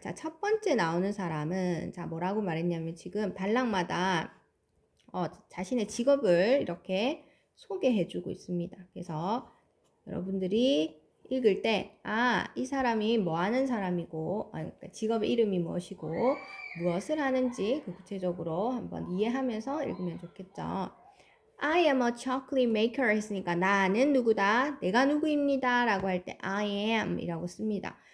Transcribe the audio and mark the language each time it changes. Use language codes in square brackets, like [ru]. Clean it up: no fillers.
[ko] 자, 첫 번째 나오는 사람은 자, 뭐라고 말했냐면 지금 단락마다 자신의 직업을 이렇게 소개해 주고 있습니다. 그래서 여러분들이 읽을 때, 아, 이 사람이 뭐 하는 사람이고, 직업 이름이 무엇이고, 무엇을 하는지 구체적으로 한번 이해하면서 읽으면 좋겠죠. [en] I am a chocolate maker [ko] 했으니까 나는 누구다? 내가 누구입니다? 라고 할때 I am 이라고 씁니다.